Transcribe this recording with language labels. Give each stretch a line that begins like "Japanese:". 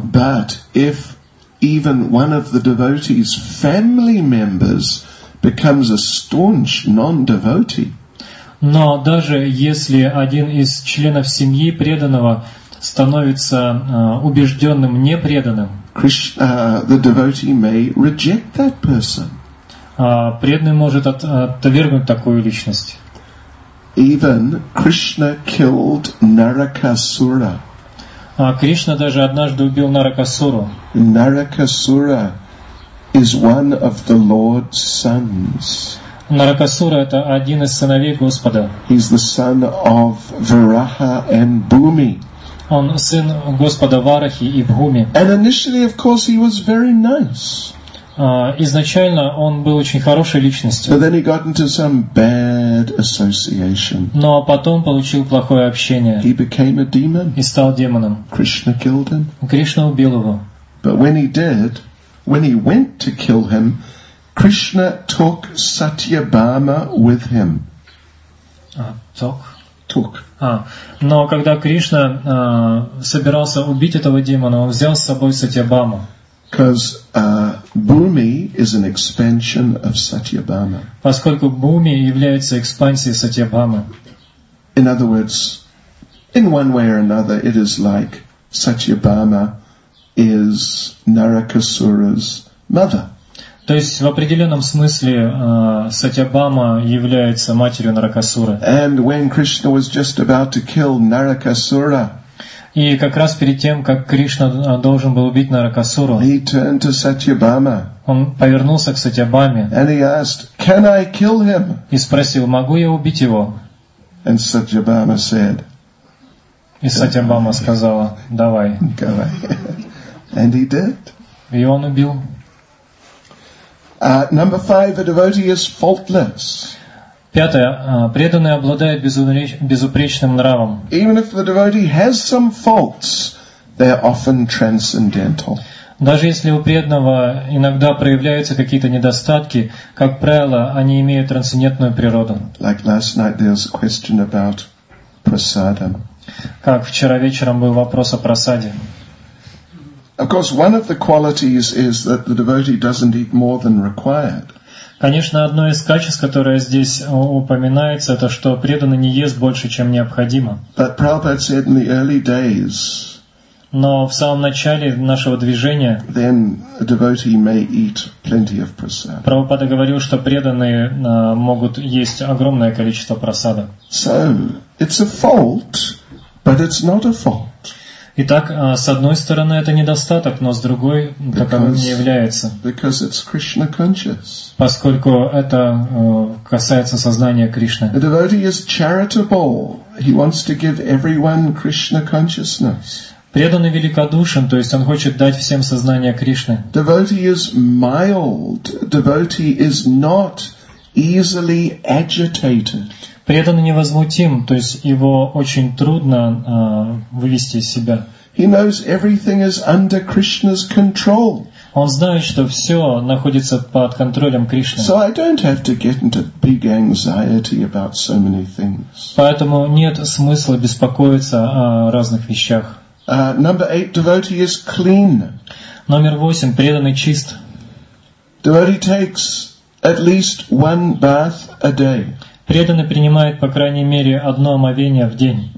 English: But if even one of the devotee's family members becomes a staunch non-devotee,
Russian: но даже если один из членов семьи преданного становится убежденным непреданным,
English: the devotee may reject that person.
Russian: Преданный может отвергнуть такую личность.
English: Even Krishna killed Narakasura.
Russian: Кришна даже однажды убил Наракасуру.
English: Наракасура is one of the Lord's sons.
Russian: Наракасура — это один из сыновей Господа.
English: He's the son of Varaha and Bhumi.
Russian: Он сын Господа Варахи и Бхуми.
English: And initially, of course, he was very nice.
Russian: Изначально он был очень хорошей личностью.
English: But then he got into some bad association.
Russian: Но потом получил плохое общение.
English: He became a demon.
Russian: И стал демоном.
English: Krishna killed him.
Russian: Кришна убил его.
English: But when he did, when he went to kill him, Krishna took Satyabhama with him. Took.
Russian: Но когда Кришна собирался убить этого демона, он взял с собой Сатьябхаму.
English: Because Bhumi is an expansion of Satyabhama.
Russian: Поскольку Бхуми является экспансией Сатьябхамы.
English: In other words, in one way or another, it is like Satyabhama is Narakasura's mother.
Russian: То есть в определенном смысле Сатьябхама является матерью Наракасуры.
English: And when Krishna was just about to kill Narakasura,
Russian: и как раз перед тем, как Кришна должен был убить Наракасуру,
English: he turned to Satyabhama.
Russian: Он повернулся к Сатьябхаме.
English: And he asked, "Can I kill him?"
Russian: И спросил, могу я убить его?
English: And Satyabhama said,
Russian: и Сатьябхама сказала, давай.
English: And he did.
Russian: И он убил.
English: Number five, a devotee is faultless.
Russian: Пятое. Преданный обладает безупречным нравом.
English: Even if the devotee has some faults, they are often transcendental.
Russian: Даже если у преданного иногда проявляются какие-то недостатки, как правило, они имеют трансцендентную природу.
English: Like last night, there was a question about prasadam.
Russian: Как вчера вечером был вопрос о прасаде.
English: Of course, one of the qualities is that the devotee doesn't eat more than required.
Russian: Конечно, одно из качеств, которое здесь упоминается, это что преданный не ест больше, чем необходимо.
English: But Prabhupada said in the early days.
Russian: Но в самом начале нашего движения
English: then a devotee may eat plenty of prasad.
Russian: Прабхупада говорил, что преданные могут есть огромное количество прасада.
English: So, it's a fault, but it's not a fault.
Russian: Итак, с одной стороны, это недостаток, но с другой, таковым не является.
English: Because it's Krishna conscious.
Russian: Поскольку это касается сознания Кришны.
English: A devotee is charitable. He wants to give everyone Krishna consciousness.
Russian: Преданный великодушен, то есть он хочет дать всем сознание Кришны.
English: Devotee is mild. Devotee is not easily agitated.
Russian: Преданный невозмутим, то есть его очень трудно вывести из себя.
English: He knows everything is under Krishna's control.
Russian: Он знает, что все находится под контролем Кришны.
English: So I don't have to get into big anxiety about so many things.
Russian: Поэтому нет смысла беспокоиться о разных вещах.
English: Number 8, devotee is clean.
Russian: Номер 8, преданный чист.
English: Devotee takes at least one bath a day.
Russian: Преданный принимает по крайней мере одно омовение в день.